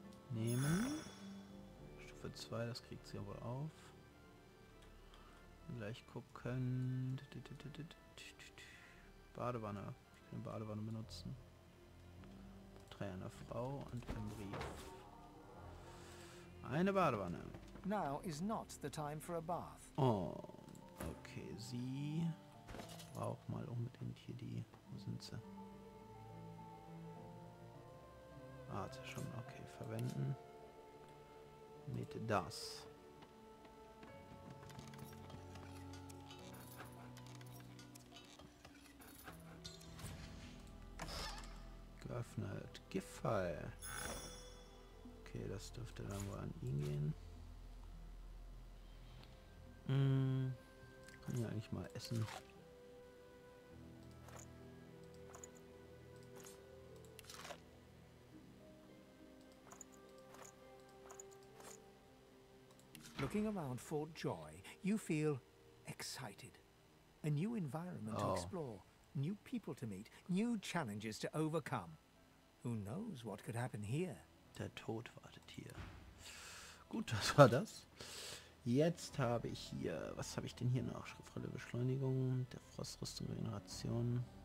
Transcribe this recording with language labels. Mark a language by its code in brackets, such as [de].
[de] Nehmen. Stufe 2, das kriegt sie aber auf. Gleich gucken. Badewanne. Ich kann eine Badewanne benutzen. Porträt einer Frau und ein Brief. Eine Badewanne. [en] Now is not the time for a bath. [de] Oh, okay, sie braucht mal unbedingt hier die. Wo sind sie? Ah, hat sie schon. Okay, verwenden. Mit das. Geöffnet. Giftfall. Okay, das dürfte dann wohl an ihn gehen. Kann ich eigentlich mal essen. [en] Looking around for joy, you feel excited. A new environment to explore, new people to meet, new challenges to overcome. Who knows what could happen here? [de] Der Tod wartet hier. Gut, das war das. Jetzt habe ich hier, was habe ich denn hier noch? Schriftrolle Beschleunigung, der Frostrüstung Regeneration.